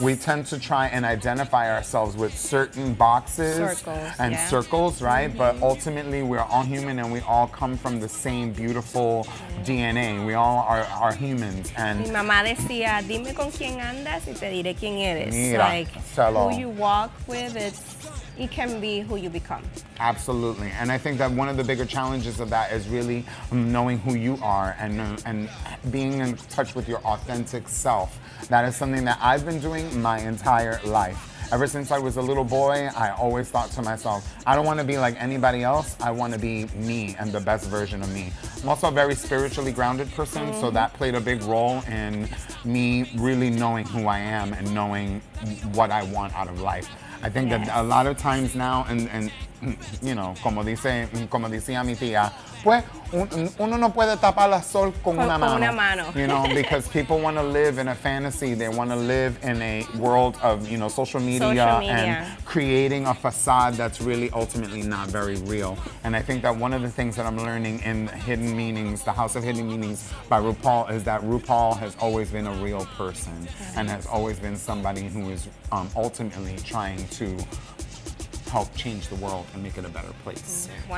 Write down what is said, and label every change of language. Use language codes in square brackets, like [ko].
[en] We tend to try and identify ourselves with certain boxes circles, right? Mm-hmm. But ultimately, we are all human and we all come from the same beautiful DNA. We all are humans. And [es] mi mamá decía, dime con quién andas y te diré quién eres. Mira, [en] who you walk with, it can be who you become. Absolutely. And I think that one of the bigger challenges of that is really knowing who you are and being in touch with your authentic self. That is something that I've been doing my entire life. Ever since I was a little boy, I always thought to myself, I don't want to be like anybody else. I want to be me and the best version of me. I'm also a very spiritually grounded person, so that played a big role in me really knowing who I am and knowing what I want out of life. I think that a lot of times now, and you know, [es] como decía mi tía, pues uno no puede tapar el sol con una mano. [en] You know, because people want to live in a fantasy. They want to live in a world of, you know, social media and creating a facade that's really ultimately not very real. And I think that one of the things that I'm learning in Hidden Meanings, the House of Hidden Meanings by RuPaul, is that RuPaul has always been a real person and has always been somebody who is ultimately trying to help change the world and make it a better place.